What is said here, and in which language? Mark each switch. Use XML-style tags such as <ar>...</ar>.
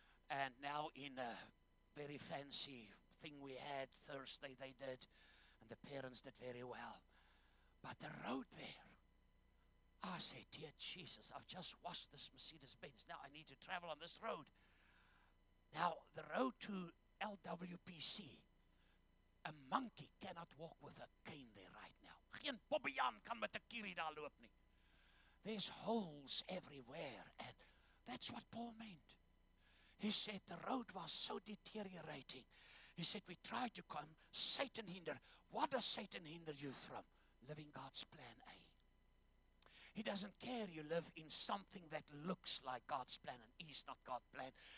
<en>And now in a very fancy thing we had Thursday, they did, and the parents did very well. But the road there, I said, dear Jesus, I've just washed this Mercedes Benz. Now I need to travel on this road. Now, the road to LWPC, a monkey cannot walk with a cane there right now.</en> <af>Geen bobbejaan kan met 'n kier daar loop nie.</af> <en>There's holes everywhere, and that's what Paul meant. He said the road was so deteriorating. He said we tried to come, Satan hinder. What does Satan hinder you from? Living God's plan A. He doesn't care you live in something that looks like God's plan and is not God's plan.</en>